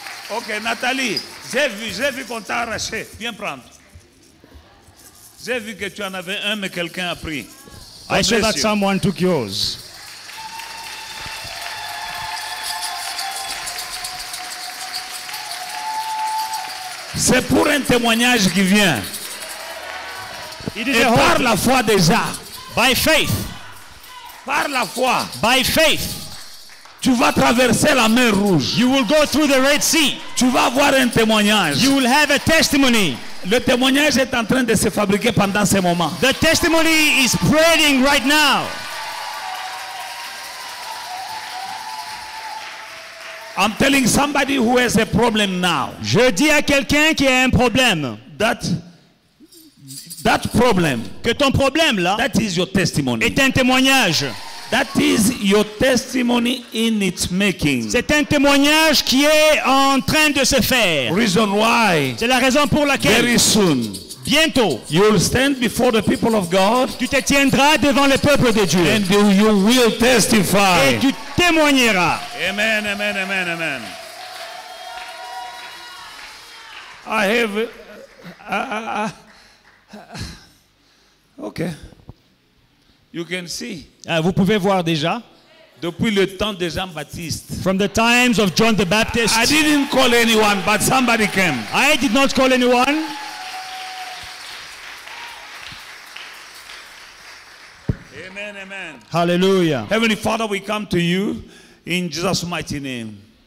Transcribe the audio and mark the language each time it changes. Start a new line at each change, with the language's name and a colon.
French: Ok, Nathalie, j'ai vu qu'on t'a arraché. Viens prendre. J'ai vu que tu en avais un, mais quelqu'un a pris.
English: I saw that someone took yours.
French: C'est pour un témoignage qui vient.
English: It is
French: par la foi déjà.
English: By faith.
French: Par la foi.
English: By faith.
French: Tu vas traverser la mer rouge.
English: You will go through the Red Sea.
French: Tu vas avoir un témoignage.
English: You will have a testimony.
French: Le témoignage est en train de se fabriquer pendant ce moment.
English: The testimony is spreading right now. I'm telling somebody who has a problem now.
French: Je dis à quelqu'un qui a un problème.
English: That problem.
French: Que ton problème là.
English: That is your testimony.
French: Est un témoignage.
English: That is your testimony in its making.
French: C'est un témoignage qui est en train de se faire.
English: Reason why?
French: C'est la raison pour laquelle.
English: Very soon.
French: Bientôt.
English: You'll stand before the people of God.
French: Tu te tiendras devant le peuple de Dieu.
English: And you will testify.
French: Et tu témoigneras.
English: Amen, amen, amen, amen. I have. Okay. You can see.
French: Vous pouvez voir déjà. Depuis le temps de Jean-Baptiste.
English: From the times of John the Baptist. I didn't call anyone, but somebody came. I did not call anyone. Amen, amen. Hallelujah. Heavenly Father, we come to you in Jesus' mighty name.